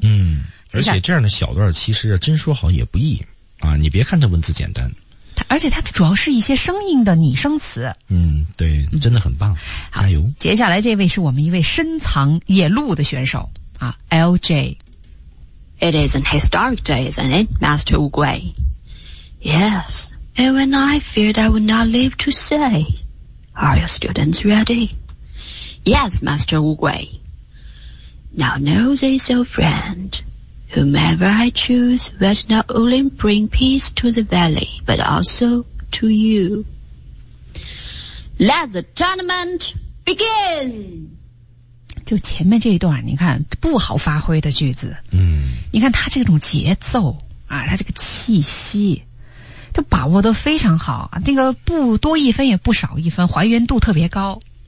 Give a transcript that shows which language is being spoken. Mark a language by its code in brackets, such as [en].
[zh] 嗯，而且这样的小段其实真说好也不易。啊，你别看他文字简单，而且他主要是一些生硬的拟声词。嗯，对，真的很棒，加油！接下来这位是我们一位深藏野鹿的选手啊 ，LJ。 [en] It is an historic day, isn't it, Master Oogway? Yes, even I feared I would not live to say. Are your students ready? Yes, Master Oogway. Now know this, old friend. Whomever I choose will not only bring peace to the valley, but also to you. Let the tournament begin! [zh] 就前面这一段，你看，不好发挥的句子。嗯。你看他这种节奏，啊，他这个气息，就把握得非常好，那个不多一分也不少一分，还原度特别高。